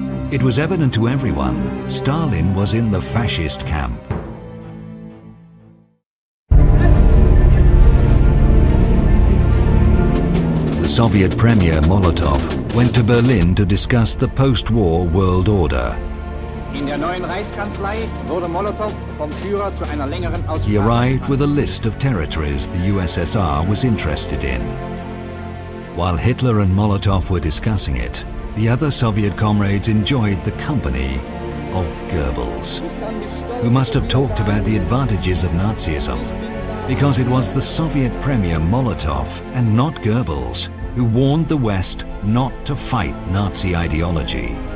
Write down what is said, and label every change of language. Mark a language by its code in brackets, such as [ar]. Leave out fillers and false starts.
[en] It was evident to everyone, Stalin was in the fascist camp. The Soviet Premier Molotov went to Berlin to discuss the post-war world order. [de] In der neuen Reichskanzlei wurde Molotov vom Führer zu einer längeren Aussprache. [en] He arrived with a list of territories the USSR was interested in. While Hitler and Molotov were discussing it, the other Soviet comrades enjoyed the company of Goebbels, who must have talked about the advantages of Nazism, because it was the Soviet Premier Molotov and not Goebbels who warned the West not to fight Nazi ideology.